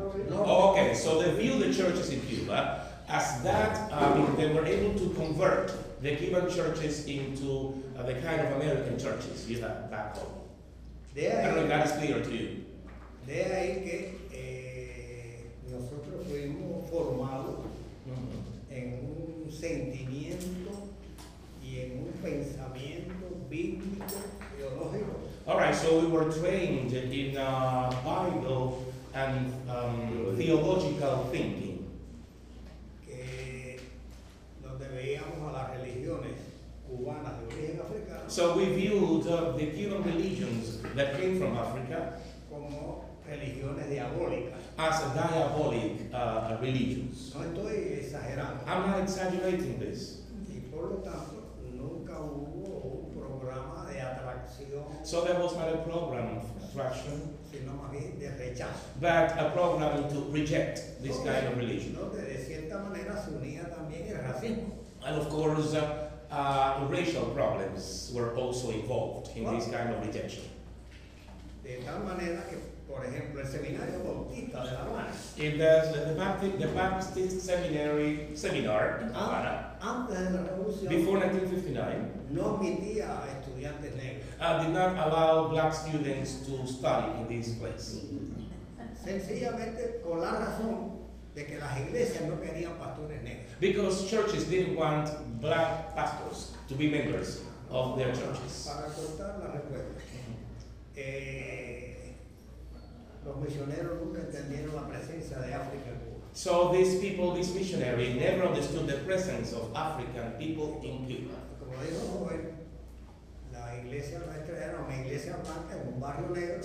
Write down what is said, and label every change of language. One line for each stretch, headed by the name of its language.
English: Okay, so they view the churches in Cuba as that, they were able to convert the Cuban churches into the kind of American churches. You have that hope. I don't know if that is clear to you.
Spanish: De ahí que nosotros fuimos formados en un sentimiento y en un pensamiento bíblico teológico.
English: All right, so we were trained in Bible and theological thinking.
Spanish: Que donde veíamos a las religiones cubanas de origen africano.
English: So we viewed the Cuban religions that came from Africa
Spanish: como religiones diabólicas.
English: As a diabolic religions.
Spanish: No estoy exagerando.
English: I'm not exaggerating this.
Spanish: Y por lo tanto, nunca hubo un programa de atracción.
English: So there was not a program of attraction.
Spanish: Sino más bien de rechazo.
English: But a program to reject this kind of religion.
Spanish: Donde de cierta manera se unía también el racismo.
English: And of course, racial problems were also involved in this kind of rejection.
Spanish: De tal manera que, por ejemplo, el Seminario Bautista de La Habana.
English: In the Baptist Seminar in Havana.
Spanish: Antes de la Revolución.
English: Before 1959.
Spanish: No admitía a estudiantes negros.
English: Did not allow black students to study in this place.
Spanish: Sencillamente con la razón de que las iglesias no querían pastores negros.
English: Because churches didn't want black pastors to be members of their churches.
Spanish: Para cortar la respuesta. Los misioneros nunca entendieron la presencia de África en Cuba.
English: So these people, these missionaries, never understood the presence of African people in Cuba.
Spanish: Como dijo Joven, la iglesia nuestra era una iglesia blanca en un barrio negro.